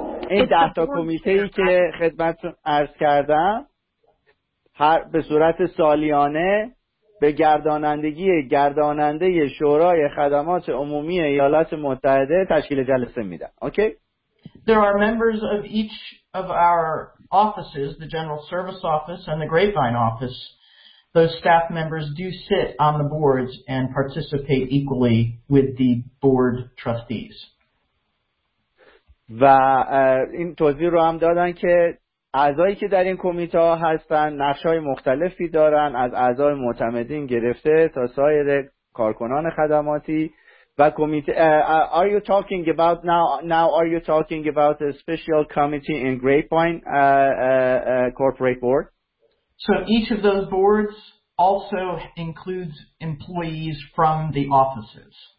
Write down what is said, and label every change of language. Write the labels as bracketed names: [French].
[Persian] این 10 تا کمیته‌ای که خدمتتون عرض کردم هر به صورت سالیانه به گردانندگی گرداننده شورای خدمات عمومی ایالات متحده تشکیل جلسه میدن. اوکی؟ [English] There are members of each of our offices, the General Service Office and the Grapevine Office. Those staff members do sit on the boards and participate equally with the board trustees. [Persian] و این توضیح رو هم دادن که اعضایی که در این کمیته ها هستن نقش‌های مختلفی دارن، از اعضای معتمدین گرفته تا سایر کارکنان خدماتی و کمیته. [English] Are you talking about now are you talking about a special committee in Grapevine corporate board? So each of those boards also includes employees from the offices.